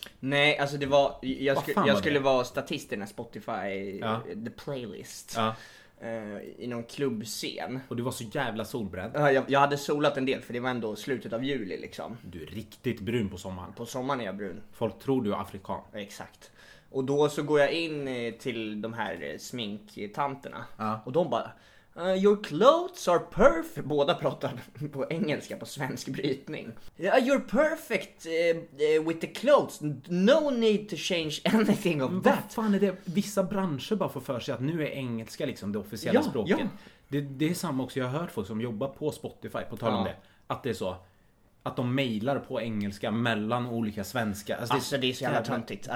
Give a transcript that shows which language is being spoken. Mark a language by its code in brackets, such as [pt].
[sv] Nej, alltså det var, jag skulle vara statist i den här Spotify, The Playlist, i någon klubbscen. Och du var så jävla solbränd. Jag hade solat en del, för det var ändå slutet av juli liksom. Du är riktigt brun på sommaren. På sommaren är jag brun. Folk tror du är afrikan. Exakt. Och då så går jag in till de här sminktanterna, och de bara... [en] your clothes are perfect. [sv] Båda pratar på engelska, på svensk brytning. [en] Yeah, you're perfect with the clothes. No need to change anything of that. [sv] Vad fan är det? Vissa branscher bara får för sig att nu är engelska liksom det officiella språket. Ja. Det är samma också. Jag har hört folk som jobbar på Spotify, på tal om det, att det är så. Att de mailar på engelska mellan olika svenska. Alltså det är så jävla töntigt.